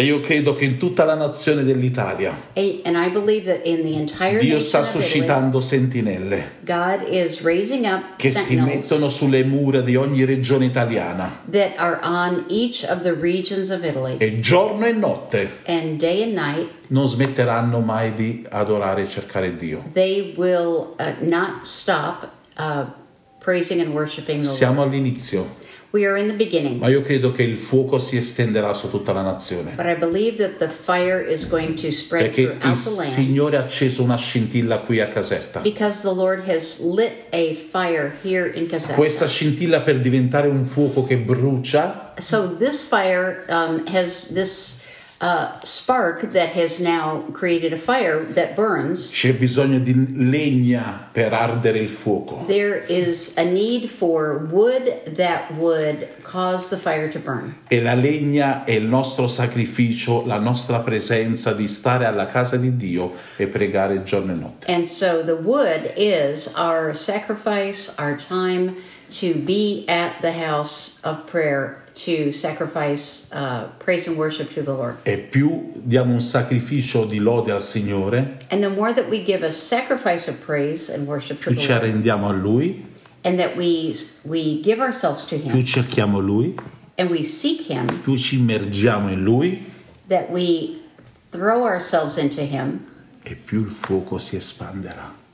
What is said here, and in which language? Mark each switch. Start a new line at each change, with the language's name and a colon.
Italian: E io credo che in tutta la nazione dell'Italia.
English: And I believe that in the entire
Italian: Dio sta suscitando sentinelle.
English: God is raising up
Italian: che
English: sentinels
Italian: si mettono sulle mura di ogni regione italiana.
English: That are on each of the regions of Italy.
Italian: E giorno e notte.
English: And day and night.
Italian: Non smetteranno mai di adorare e cercare Dio.
English: They will not stop praising and worshiping the Lord.
Italian: Siamo all'inizio.
English: We are in the beginning.
Italian: Ma io credo che il fuoco si estenderà su tutta la nazione.
English: But I believe that the fire is going to spread
Italian: perché
English: throughout the land.
Italian: Perché il Signore ha acceso una scintilla qui a Caserta.
English: Because the Lord has lit a fire here in Caserta.
Italian: Questa scintilla per diventare un fuoco che brucia.
English: So this fire has this spark that has now created a fire that burns.
Italian: C'è bisogno di legna per ardere il fuoco.
English: There is a need for wood that would cause the fire to burn.
Italian: E la legna è il nostro sacrificio, la nostra presenza di stare alla casa di Dio e pregare giorno e notte.
English: And so the wood is our sacrifice, our time to be at the house of prayer. To sacrifice praise and worship to the Lord.
Italian: E più diamo un sacrificio di lode al Signore.
English: And the more that we give a sacrifice of praise and worship to the Lord.
Italian: Più ci arrendiamo a Lui.
English: And that we give ourselves to Him.
Italian: Più cerchiamo Lui.
English: And we seek Him.
Italian: Più ci immergiamo in Lui.
English: That we throw ourselves into Him.
Italian: E più il fuoco si espanderà.